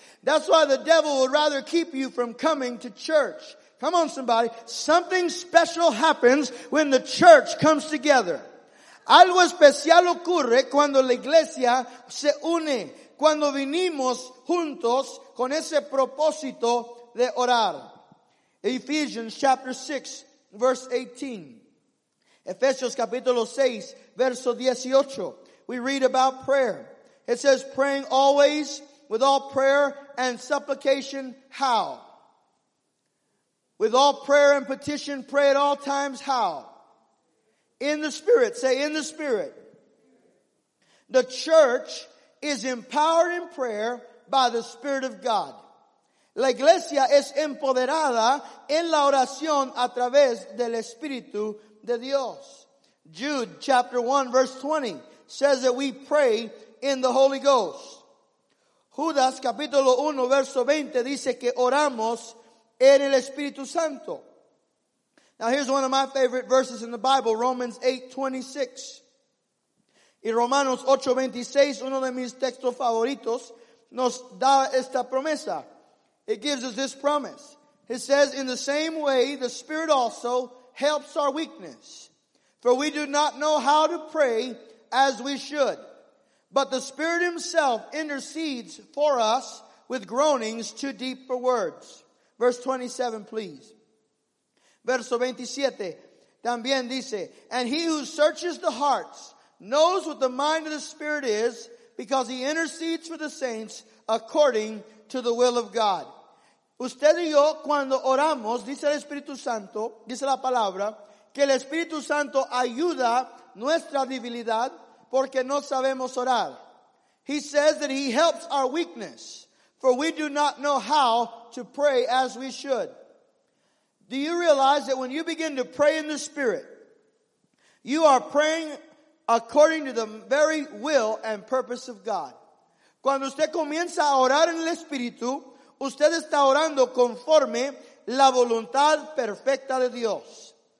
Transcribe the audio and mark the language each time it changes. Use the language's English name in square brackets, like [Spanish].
[English] That's why the devil would rather keep you from coming to church. Come on, somebody. Something special happens when the church comes together. [Spanish] Algo especial ocurre cuando la iglesia se une, cuando vinimos juntos con ese propósito de orar. [English] Ephesians chapter 6, verse 18. [Spanish] Ephesians capítulo 6, verso 18. [English] We read about prayer. It says, praying always with all prayer and supplication. How? With all prayer and petition, pray at all times. How? In the Spirit. Say, in the Spirit. The church is empowered in prayer by the Spirit of God. [Spanish] La iglesia es empoderada en la oración a través del Espíritu de Dios. [English] Jude chapter 1, verse 20. Says that we pray in the Holy Ghost. [Spanish] Judas capítulo 1 verso 20 dice que oramos en el Espíritu Santo. [English] Now here's one of my favorite verses in the Bible, Romans 8:26. [Spanish] Y Romanos 8:26, uno de mis textos favoritos, nos da esta promesa. [English] It gives us this promise. It says, in the same way, the Spirit also helps our weakness. For we do not know how to pray as we should. But the Spirit himself intercedes for us with groanings too deep for words. Verse 27, please. [Spanish] Verso 27, también dice, [English] and he who searches the hearts knows what the mind of the Spirit is, because he intercedes for the saints according to the will of God. [Spanish] Usted y yo, cuando oramos, dice el Espíritu Santo, dice la palabra, que el Espíritu Santo ayuda nuestra debilidad, porque no sabemos orar. [English] He says that he helps our weakness, for we do not know how to pray as we should. Do you realize that when you begin to pray in the Spirit, you are praying according to the very will and purpose of God? [Spanish] Cuando usted comienza a orar en el Espíritu, usted está orando conforme la voluntad perfecta de Dios.